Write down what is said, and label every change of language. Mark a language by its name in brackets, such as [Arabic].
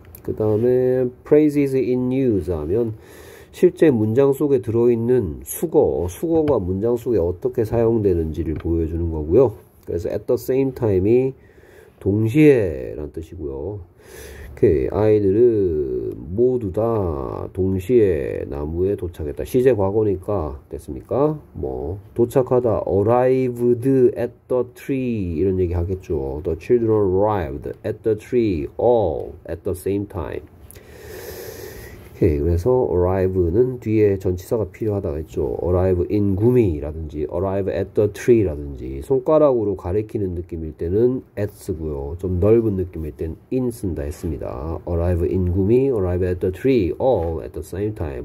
[Korean] 그다음에 [English] praises in use [Korean] 하면 실제 문장 속에 들어있는 수거가 문장 속에 어떻게 사용되는지를 보여주는 거고요. 그래서 [English] at the same time [Korean] 이 동시에란 뜻이고요. 이렇게 아이들은 모두 다 동시에 나무에 도착했다. 시제 과거니까 됐습니까? 뭐 도착하다, [English] arrived at the tree [Korean] 이런 얘기 하겠죠. [English] The children arrived at the tree all at the same time. [Korean] 오케이, 그래서 arrive는 뒤에 전치사가 필요하다고 했죠. [English] arrive in gloom [Korean] 이라든지 [English] arrive at the tree [Korean] 라든지 손가락으로 가리키는 느낌일 때는 at 쓰고요. 좀 넓은 느낌일 땐 in 쓴다 했습니다. [English] arrive in gloom이, arrive at the tree, all at the same time.